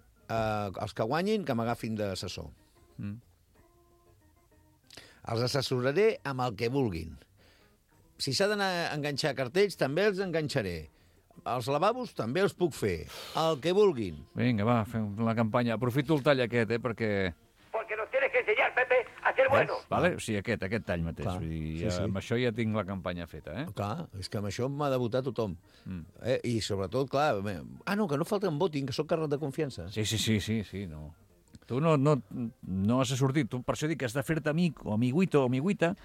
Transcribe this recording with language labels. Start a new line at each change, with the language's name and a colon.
Catalan: Els que guanyin, que m'agafin d'assessor. Els assessoraré amb el que vulguin. Si s'ha d'anar a enganxar cartells, també els enganxaré. Els lavabos també els puc fer, el que vulguin. Vinga, va, fem la campanya. Aprofito el tall aquest, perquè...
Spanish: Porque nos tienes que enseñar, Pepe, a ser buenos.
Catalan: Vale, o sigui, aquest tall mateix. Vull dir, amb això ja tinc la campanya feta, eh? Clar, és que amb això m'ha de votar tothom. I sobretot, clar... que no falta un voting, que sóc càrrec de confiança. Sí, no... Tu no has sortit. Tu, per això dic que has de fer-te amic o
Spanish: amiguito o amiguita.